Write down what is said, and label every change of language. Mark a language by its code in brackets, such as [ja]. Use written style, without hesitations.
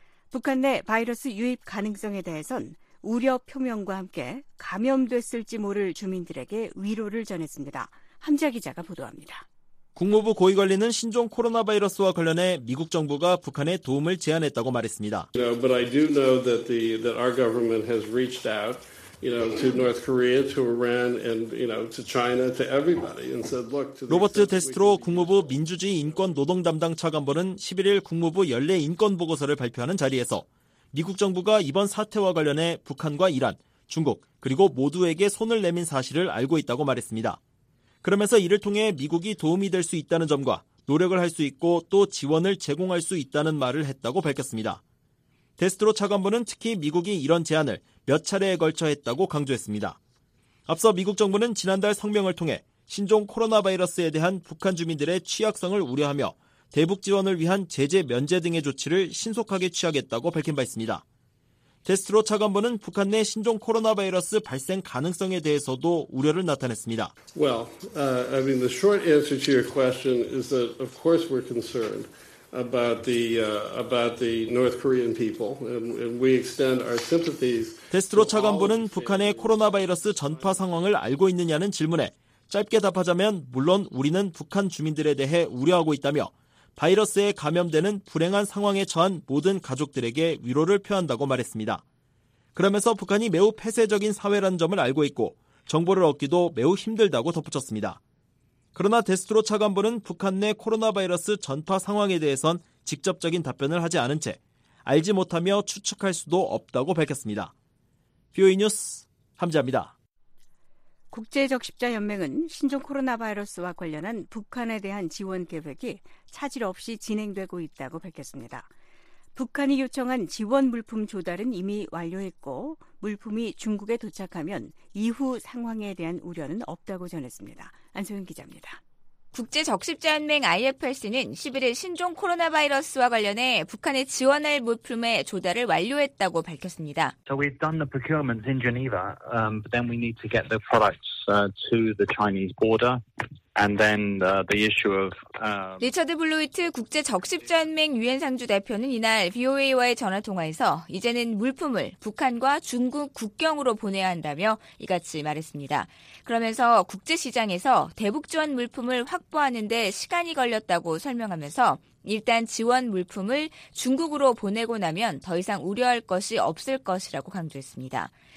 [ko] 북한 내 바이러스 유입 가능성에 대해선 우려 표명과 함께 감염됐을지 모를 주민들에게 위로를 전했습니다. 함지아 기자가 보도합니다. 국무부 고위관리는 신종 코로나 바이러스와 관련해 미국 정부가 북한에 도움을 제안했다고 말했습니다. [en] No, but I do know that that our government has reached out. You know, to North Korea, to Iran, and you know, to China, to everybody, and said, "Look." [ko] 로버트 데스트로 국무부 민주주의 인권 노동 담당 차관보는 11일 국무부 연례 인권 보고서를 발표하는 자리에서 미국 정부가 이번 사태와 관련해 북한과 이란, 중국 그리고 모두에게 손을 내민 사실을 알고 있다고 말했습니다. 그러면서 이를 통해 미국이 도움이 될 수 있다는 점과 노력을 할 수 있고 또 지원을 제공할 수 있다는 말을 했다고 밝혔습니다. 데스트로 차관보는 특히 미국이 이런 제안을 몇 차례에 걸쳐 했다고 강조했습니다. 앞서 미국 정부는 지난달 성명을 통해 신종 코로나 바이러스에 대한 북한 주민들의 취약성을 우려하며 대북 지원을 위한 제재 면제 등의 조치를 신속하게 취하겠다고 밝힌 바 있습니다. 데스트로 차관보는 북한 내 신종 코로나 바이러스 발생 가능성에 대해서도 우려를 나타냈습니다. [en] Well, I mean the short answer to your question is that of course we're concerned. About the North Korean people, and we extend our sympathies. [ko] 데스트로 차관보는 북한의 코로나 바이러스 전파 상황을 알고 있느냐는 질문에 짧게 답하자면 물론 우리는 북한 주민들에 대해 우려하고 있다며 바이러스에 감염되는 불행한 상황에 처한 모든 가족들에게 위로를 표한다고 말했습니다. 그러면서 북한이 매우 폐쇄적인 사회라는 점을 알고 있고 정보를 얻기도 매우 힘들다고 덧붙였습니다. 그러나 데스트로 차관보는 북한 내 코로나 바이러스 전파 상황에 대해선 직접적인 답변을 하지 않은 채 알지 못하며 추측할 수도 없다고 밝혔습니다. 뷰이 뉴스 함지아입니다. 국제적십자연맹은 신종 코로나 바이러스와 관련한 북한에 대한 지원 계획이 차질 없이 진행되고 있다고 밝혔습니다. 북한이 요청한 지원 물품 조달은 이미 완료했고 물품이 중국에 도착하면 이후 상황에 대한 우려는 없다고 전했습니다. 안소영 기자입니다. 국제적십자연맹 IFRC는 11일 신종 코로나 바이러스와 관련해 북한에 지원할 물품의 조달을 완료했다고 밝혔습니다. [en] So we've done the procurements in Geneva, but then we need to get the products to the Chinese border. And then the issue of [ko] 리처드 블루이트 국제 적십자연맹 유엔 상주 대표는 이날 VOA와의 전화 통화에서 이제는 물품을 북한과 중국 국경으로 보내야 한다며 이같이 말했습니다. 그러면서 국제 시장에서 대북 지원 물품을 확보하는 데 시간이 걸렸다고 설명하면서 일단 지원 물품을 중국으로 보내고 나면 더 이상 우려할 것이 없을 것이라고 강조했습니다.